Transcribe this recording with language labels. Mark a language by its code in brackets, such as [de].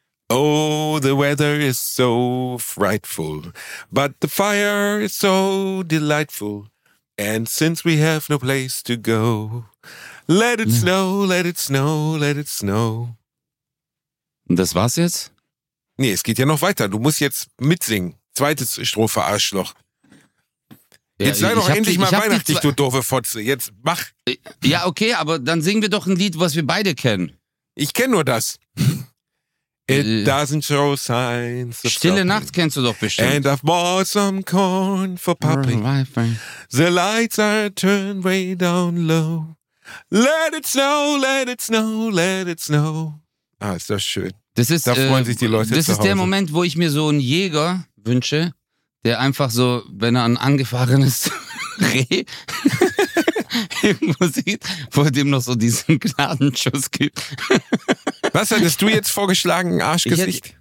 [en] Oh, the weather is so frightful, but the fire is so delightful, and since we have no place to go, let it snow, let it snow, let it snow. [de] Das war's jetzt? Nee, es geht ja noch weiter. Du musst jetzt mitsingen. Zweite Strophe, Arschloch. Jetzt sei doch endlich mal weihnachtlich, du doofe Fotze. Jetzt mach. Ja, okay, aber dann singen wir doch ein Lied, was wir beide kennen. Ich kenn nur das. [en] It doesn't show signs of [de] Stille [en] stopping. [de] Nacht kennst du doch bestimmt. [en] And I've bought some corn for popping. The lights are turned way down low. Let it snow, let it snow, let it snow. [de] Ah, ist das schön. Das ist, da freuen sich die Leute zu Hause. Das ist der Moment, wo ich mir so einen Jäger wünsche, der einfach so, wenn er ein angefahrenes Reh irgendwo sieht, wo er dem noch so diesen Gnadenschuss gibt. Was hättest du jetzt vorgeschlagen, Arschgesicht?